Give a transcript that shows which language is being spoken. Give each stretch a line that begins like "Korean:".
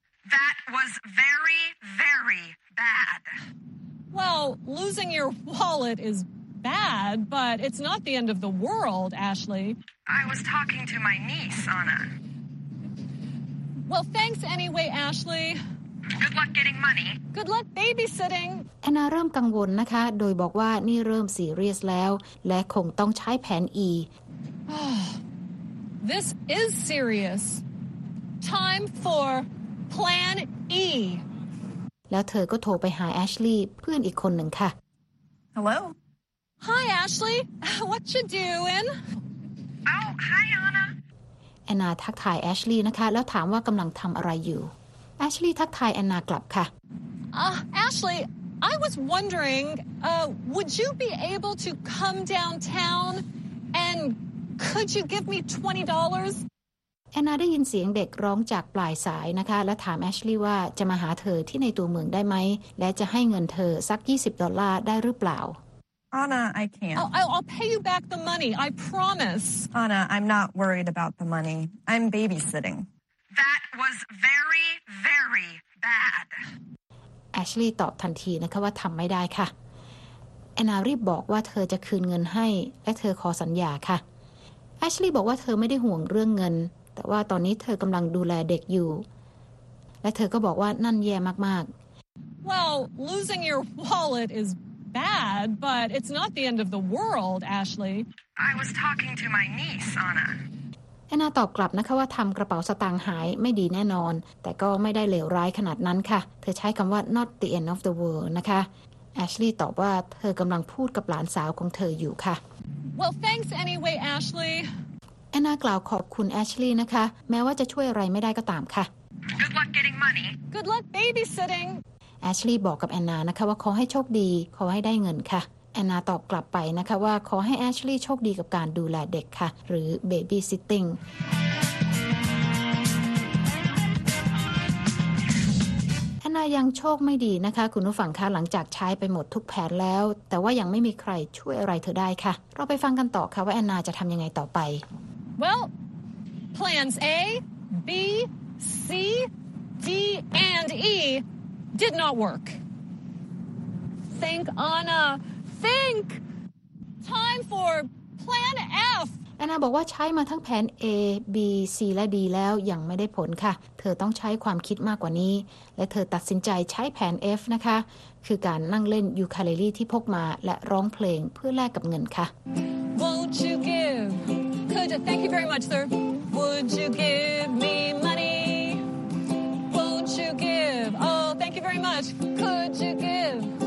English: That was very, very bad. Well, losing your wallet is bad, but it's not the end of the world, Ashley. I was talking to my niece, Anna. Well, thanks anyway, Ashley. Good luck getting money. Good luck babysitting.
Thai: Anna เริ่มกังวลนะคะโดยบอกว่านี่เริ่มซีเรียสแล้วและคงต้องใช้แผน E.
English: This is serious. Time for plan E.
Thai: แล้วเธอก็โทรไปหา Ashley เพื่อนอีกคนหนึ่งค่ะ
English: Hello. Hi Ashley. What you doing? Oh, hi Anna.
Thai: Anna ทักทาย Ashley นะคะแล้วถามว่ากำลังทำอะไรอยู่Ashley ทักทายแอนนากลับค่ะ
English: Ashley, I was wondering, would you be able to come downtown and could you give me $20?
Thai: แอนนาได้ยินเสียงเด็กร้องจากปลายสายนะคะและถาม Ashley ว่าจะมาหาเธอที่ในตัวเมืองได้ไหมและจะให้เงินเธอสัก $20ได้หรือเปล่า
English: Anna, I can't. I'll pay you back the money, I promise. Anna, I'm not worried about the money. I'm babysitting. That was very, very bad.
Thai: Ashley ตอบทันทีนะคะว่าทำไม่ได้ค่ะ Anna รีบบอกว่าเธอจะคืนเงินให้และเธอขอสัญญาค่ะ Ashley บอกว่าเธอไม่ได้ห่วงเรื่องเงินแต่ว่าตอนนี้เธอกำลังดูแลเด็กอยู่และเธอก็บอกว่านั่นแย่มาก
English: ๆ Well, losing your wallet is bad, but it's not the end of the world, Ashley. I was talking to my niece, Anna.
Thai: แอนนาตอบกลับนะคะว่าทำกระเป๋าสตางค์หายไม่ดีแน่นอนแต่ก็ไม่ได้เลวร้ายขนาดนั้นค่ะเธอใช้คำว่า
English: not the end of the world
Thai: นะคะแอชลีย์ตอบว่าเธอกำลังพูดกับหลานสาวของเธออยู่ค่ะ
English: Well thanks anyway Ashley
Thai: แอนนากล่าวขอบคุณแอชลีย์นะคะแม้ว่าจะช่วยอะไรไม่ได้ก็ตามค่ะ
English: Good luck getting money Good luck babysitting
Thai: แอชลีย์บอกกับแอนนานะคะว่าขอให้โชคดีขอให้ได้เงินค่ะแอนนาตอบกลับไปนะคะว่าขอให้แอชลีย์โชคดีกับการดูแลเด็กค่ะหรือเบบี้ซิตติ้งแอนนายังโชคไม่ดีนะคะคุณผู้ฟังคะหลังจากใช้ไปหมดทุกแผนแล้วแต่ว่ายังไม่มีใครช่วยอะไรเธอได้ค่ะเราไปฟังกันต่อค่ะว่าแอนนาจะทำยังไงต่อไป
English: Well plans A B C D and E did not work Think, Anna. Think. Time for plan F.
Thai: แอนนาบอกว่าใช้มาทั้งแผน A B C และ D แล้วยังไม่ได้ผลค่ะเธอต้องใช้ความคิดมากกว่านี้และเธอตัดสินใจใช้แผน F นะคะคือการนั่งเล่นยูคาเลลี่ที่พกมาและร้องเพลงเพื่อแลกกับเงินค่ะ
English: Won't you give Could you thank you very much sir Would you give me money Won't you give Oh thank you very much Could you give